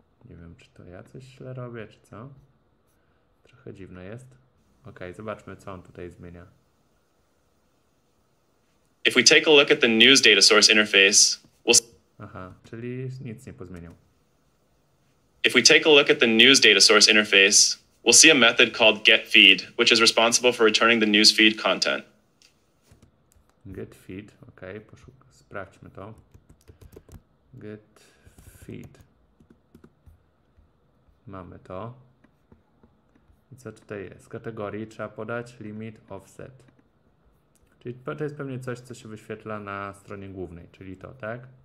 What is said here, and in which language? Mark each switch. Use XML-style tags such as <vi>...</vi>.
<pl>Nie wiem, czy to ja coś źle robię, czy co? Trochę dziwne jest. Okej, zobaczmy, co on tutaj zmienia.</pl> <en>If we take a look at the news data source interface, we'll...</en> <pl>Aha, czyli nic nie pozmienił.</pl> <en>If we take a look at the news data source interface, we'll see a method called getFeed, which is responsible for returning the newsfeed content.</en> <pl>GetFeed, okay, sprawdźmy to. GetFeed. Mamy to. I co tutaj jest? Z kategorii trzeba podać limit offset. Czyli to jest pewnie coś, co się wyświetla na stronie głównej, czyli to, tak?</pl>